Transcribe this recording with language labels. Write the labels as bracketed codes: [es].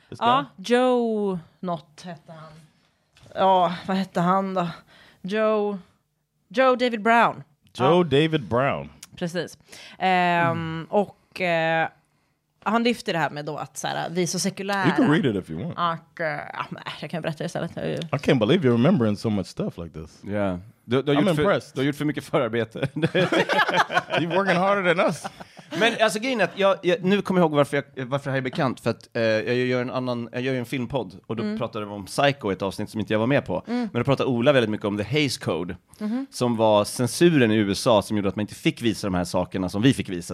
[sv] Ja, Joe Not hette han. Ja, vad hette han då? Joe David Brown. Joe David Brown. Precis. Och han lyfter det här med då att så här, vi är så sekulära. [en] You can read it if you want. [sv] Jag kan berätta det istället. [en] I can't believe you're remembering so much stuff like this. Yeah. I'm impressed. [sv] Du har gjort för mycket förarbete. [en] You're working harder than us. [sv] Men alltså grejen är att jag nu kommer jag ihåg varför jag är bekant. För att jag gör en filmpodd. Och då pratade vi om Psycho, ett avsnitt som inte jag var med på. Mm. Men då pratade Ola väldigt mycket om The Hays Code. Som var censuren i USA som gjorde att man inte fick visa de här sakerna som vi fick visa.